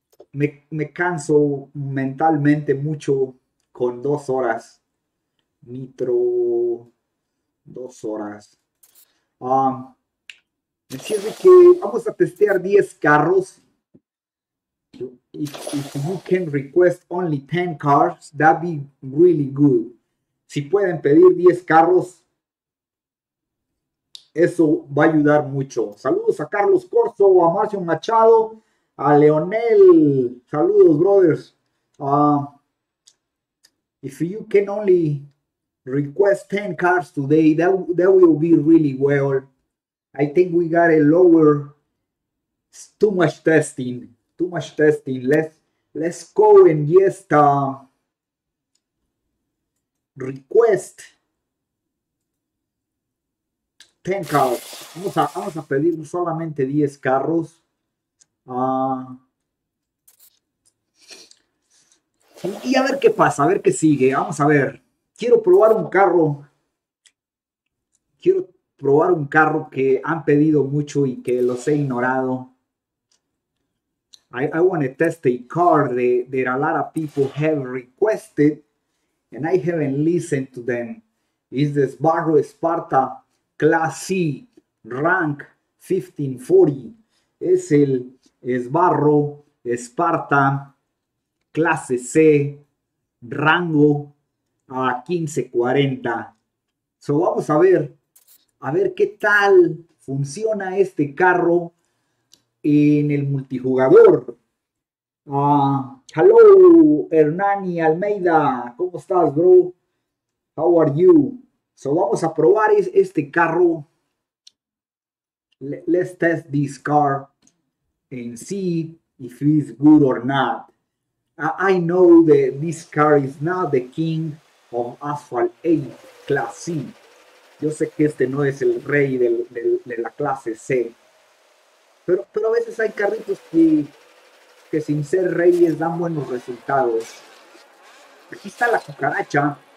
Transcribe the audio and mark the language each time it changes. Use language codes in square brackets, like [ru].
[es] Me canso mentalmente mucho con 2 horas. Nitro, 2 horas. Así es de que vamos a testear 10 carros. [en] If you can request only 10 cars, that'd be really good. [es] Si pueden pedir 10 carros, eso va a ayudar mucho. Saludos a Carlos Corzo, a Marcio Machado, a Leonel. Saludos, brothers. [en] If you can only request 10 cars today, that will be really well. I think we got a lower. It's too much testing. Too much testing. Let's go and yes, request 10 cars. [es] Vamos a pedir solamente 10 carros. Y a ver qué pasa, a ver qué sigue. Vamos a ver. Quiero probar un carro. Quiero probar un carro que han pedido mucho y que los he ignorado. [en] I want to test a car that a lot of people have requested and I haven't listened to them. Is this Barro Sparta Class C Rank 1540? [es] Es el Barro Sparta Clase C Rango a 1540. So vamos a ver qué tal funciona este carro en el multijugador. [en] Hello, Hernán y Almeida. [es] ¿Cómo estás, [en] bro? How are you? [es] So, vamos a probar este carro. [en] Let's test this car and see if it's good or not. I know that this car is not the king of Asphalt 8 Class C. [es] Yo sé que este no es el rey de la clase C. Pero a veces hay carritos que sin ser reyes dan buenos resultados. Aquí está la cucaracha.